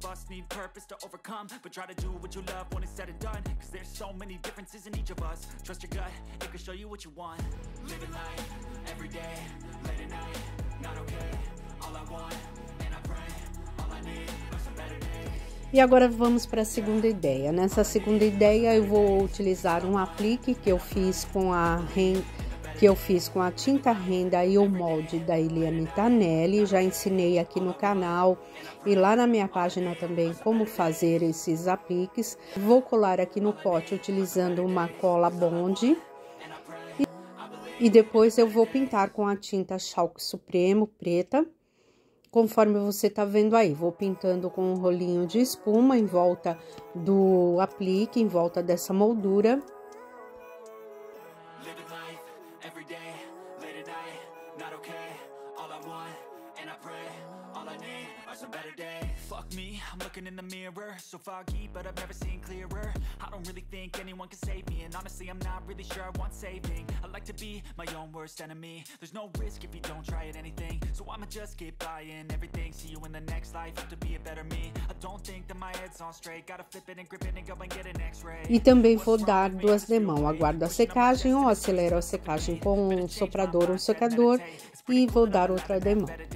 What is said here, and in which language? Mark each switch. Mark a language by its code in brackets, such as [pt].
[en] Need purpose to overcome, but try to do what you love when it's said and done. 'Cause there's so many differences in each of us. Trust your gut, it can show you what you want. Living life every day, late at night, not okay. All I want, and I pray, all I need. [pt] E agora vamos para a segunda ideia. Nessa segunda ideia eu vou utilizar um aplique que eu fiz com a tinta renda e o molde da Eliane Tanelli. Já ensinei aqui no canal e lá na minha página também como fazer esses apliques. Vou colar aqui no pote utilizando uma cola bond e depois eu vou pintar com a tinta Chalk Supremo preta. Conforme você tá vendo aí, vou pintando com um rolinho de espuma em volta do aplique, em volta dessa moldura. [en] Living life, every day, late at night, not okay. All I want, and I pray. All I need are some better days. Fuck me, I'm looking in the mirror. So foggy, but I've never seen clearer. I don't really think anyone can save me. And honestly, I'm not really sure I want saving. I like to be my own worst enemy. There's no risk if you don't try at anything. So I'ma just get buying everything. See you in the next life, have to be a better me. I don't think that my head's on straight. Gotta flip it and grip it and go and get an x-ray. [pt] E também vou dar duas de mão. Aguardo a secagem ou acelero a secagem com um soprador ou um secador. E vou dar outra de mão.